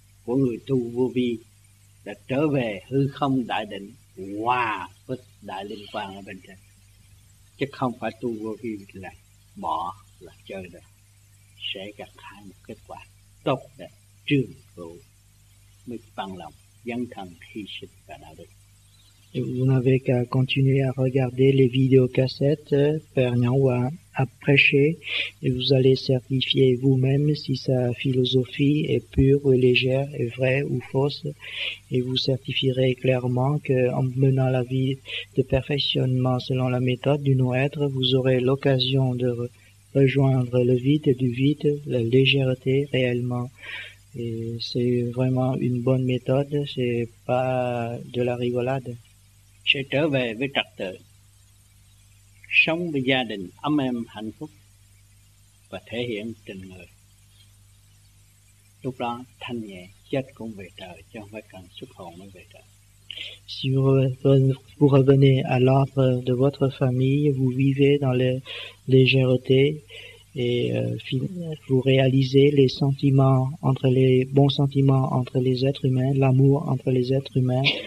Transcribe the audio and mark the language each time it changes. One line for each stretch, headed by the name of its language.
Vietnamese: của người tu vô vi đã trở về hư không đại định hòa với đại liên quan ở bên trên, chứ không phải tu vô vi là bỏ là chơi đâu, sẽ gặt hái một kết quả tốt đẹp trường thọ mới bằng lòng dâng thân hy sinh và đạo đức.
French: Vous n'avez qu'à continuer à regarder les vidéocassettes, Père Nyangwa a prêché, et vous allez certifier vous-même si sa philosophie est pure ou légère, est vraie ou fausse, et vous certifierez clairement qu'en menant la vie de perfectionnement selon la méthode du non-être, vous aurez l'occasion de rejoindre le vide du vide, la légèreté réellement. Et c'est vraiment une bonne méthode, c'est pas de la rigolade.
Vietnamese: Sẽ trở về với trật tự, sống với gia đình ấm êm hạnh phúc và thể hiện tình người. Lúc đó thanh nhẹ, chết cũng về trời chứ không phải cần xuất hồn mới về trời.
French: Si vous revenez à l'ordre de votre famille, vous vivez dans la légèreté et vous réalisez les sentiments entre les bons sentiments entre les êtres humains, l'amour entre les êtres humains.